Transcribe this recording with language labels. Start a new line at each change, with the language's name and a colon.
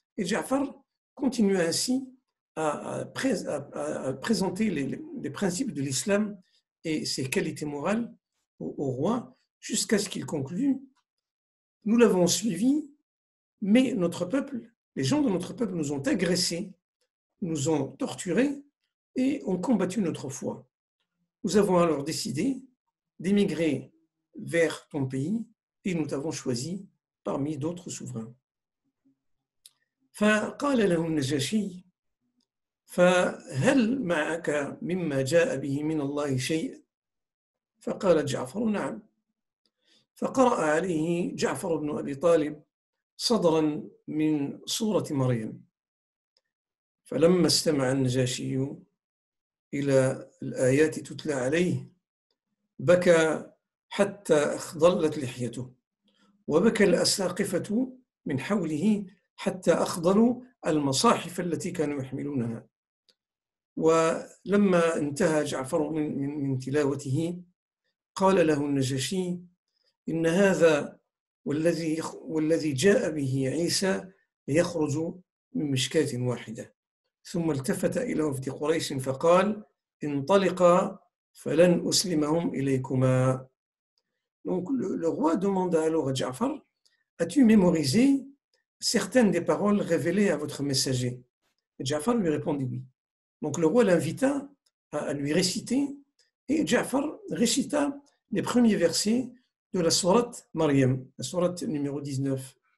French: Et Ja'far continue ainsi à présenter les principes de l'islam et ses qualités morales au roi, jusqu'à ce qu'il conclue: nous l'avons suivi, mais notre peuple, les gens de notre peuple nous ont agressés, nous ont torturés et ont combattu notre foi. Nous avons alors décidé d'émigrer vers ton pays et nous t'avons choisi parmi d'autres souverains.
Arabic: فقال له النجاشي: فهل معك مما جاء به من الله شيء؟ فقال جعفر: نعم. فقرأ عليه جعفر بن أبي طالب صدرا من سورة مريم. فلما استمع النجاشي إلى الآيات تتلى عليه بكى حتى أخضلت لحيته، وبكى الأساقفة من حوله حتى أخضلوا المصاحف التي كانوا يحملونها. ولما انتهى جعفر من تلاوته قال له النجاشي: إن هذا والذي جاء به عيسى يخرج من مشكاة واحدة. ثم التفت إلى وفد قريش فقال: انطلقا فلن أسلمهم إليكما.
French: Donc le roi demanda alors à Ja'far: as-tu mémorisé certaines des paroles révélées à votre messager? Et Ja'far lui répondit oui. Donc le roi l'invita à lui réciter, et Ja'far récita les premiers versets de la sourate Maryam, la sourate numéro 19.